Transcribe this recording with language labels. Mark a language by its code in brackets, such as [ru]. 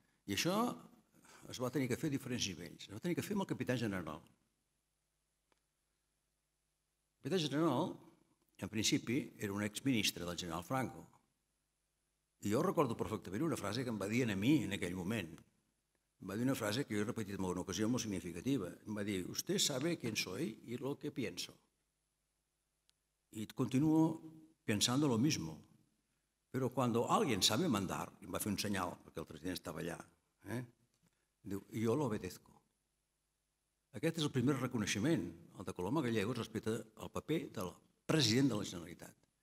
[ca] I això es va tenir que fer a diferents nivells. Es va tenir que fer amb el capità general. El capità general, en principi, era un exministre del general Franco. I jo recordo perfectament una frase que em va dir a mi en aquell moment. Em va dir una frase que jo he repetit en una ocasió molt significativa. Em va dir, [es] usted sabe quién soy y lo que pienso. Y continuo pensando lo mismo. Pero cuando alguien sabe mandar, [ca] em va fer un senyal perquè el president estava allà, diu, jo l'obedezco. Aquest és el primer reconeixement, el de Coloma Gallegos, respecte al paper del president de la Generalitat.